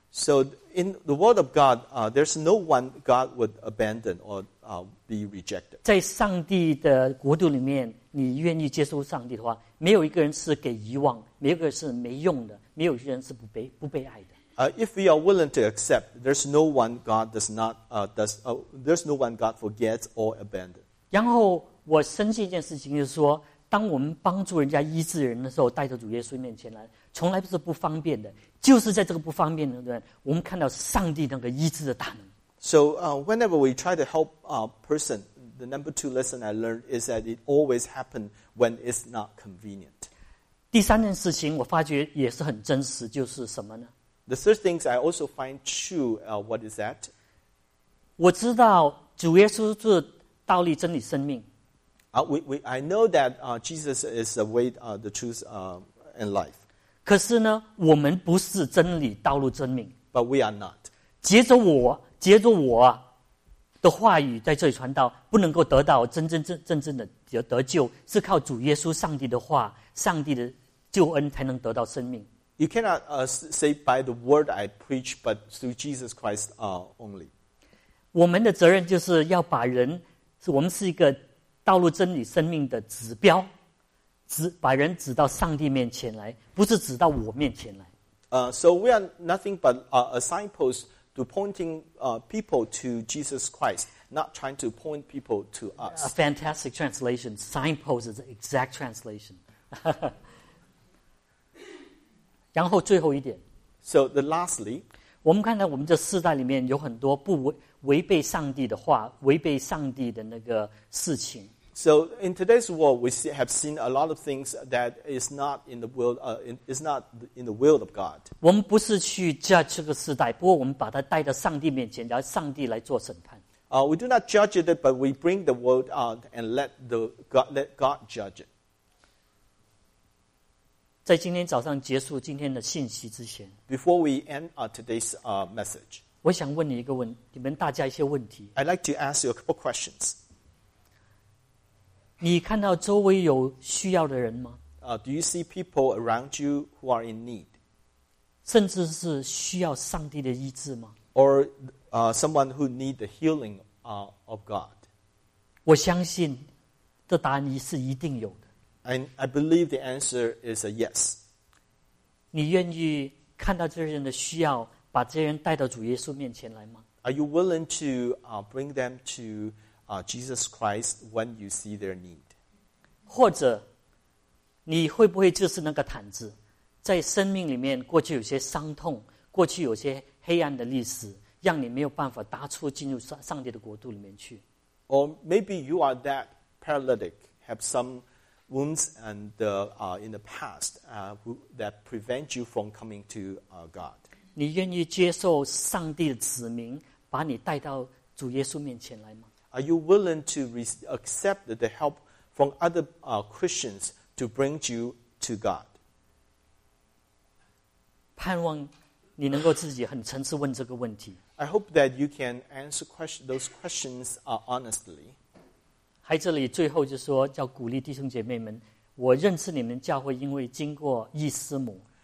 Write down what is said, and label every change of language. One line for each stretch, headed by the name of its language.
English: So in the word of God, there's no one God would abandon or be rejected.
Chinese: 在上帝的国度里面，你愿意接受上帝的话，没有一个人是给遗忘，没有一个人是没用的，没有一个人是不被爱的。
English: If we are willing to accept, there's no one God does not there's no one God forgets or abandon.
Chinese: 然后我深信一件事情，就是说。当我们帮助人家医治人的时候，带着主耶稣面前来，从来不是不方便的。就是在这个不方便的时候，我们看到上帝那个医治的大能。
English: So, whenever we try to help a person, the number two lesson I learned is that it always happens when it's not convenient.
Chinese: 第三件事情，我发觉也是很真实，就是什么呢
English: ？The third things I also find true. What is that?
Chinese: 我知道主耶稣是道理、真理、生命。
English: I know that Jesus is the way, the truth, and life.
Chinese: 可是呢，我们不是真理、道路、真命。
English: But we are not.
Chinese: 接着我的话语在这里传道，不能够得到真正的得救，是靠主耶稣上帝的话、上帝的救恩才能得到生命。
English: You cannot say by the word I preach, but through Jesus Christ only.
Chinese: 我们的责任就是要把人，是我们是一个。道路真理生命的指标指把人指到上帝面前来不是指到我面前来。
English: So we are nothing but a signpost to pointing people to Jesus Christ, not trying to point people to us. A fantastic translation. Signpost is the exact translation.
Chinese: 然后最后一点。
English: So the lastly,
Chinese: 我们看到我们这世代里面有很多不违背上帝的话违背上帝的那个事情。
English: So in today's world, we have seen a lot of things that is not in the world, is not in the will of God.
Chinese: 我们不是去 judge 这个时代，不过我们把它带到上帝面前，然后上帝来做审判。
English: We do not judge it, but we bring the world out and let God judge it.
Chinese: 在今天早上结束今天的信息之前
English: ，before we end today's message,
Chinese: 我想问你一个问，你们大家一些问题。
English: I'd like to ask you a couple questions.
Chinese: 你看到周围有需要的人吗？
English: Do you see people around you who are in need?
Chinese: 甚至是需要上帝的医治吗？
English: Or someone who need the healing of God?
Chinese: 我相信的答案是一定有的。
English: And I believe the answer is a yes.
Chinese: 你愿意看到这些人的需要，把这些人带到主耶稣面前来吗？
English: Are you willing to bring them to Jesus Christ, when you see their need.
Chinese: 或者你会不会就是那个毯子在生命里面过去有些伤痛过去有些黑暗的历史让你没有办法搭出进入上帝的国度里面去。
English: Or maybe you are that paralytic, have some wounds and, in the past, that prevent you from coming to, God.
Chinese: 你愿意接受上帝的指明把你带到主耶稣面前来吗？
English: Are you willing to accept the help from other Christians to bring you to God?
Chinese: 盼望你能够自己很诚实问这个问题。
English: I hope that you can answer question, those questions honestly.
Chinese: 还这里最后就是说叫鼓励弟兄姐妹们，我认识你们教会因为经过易师母。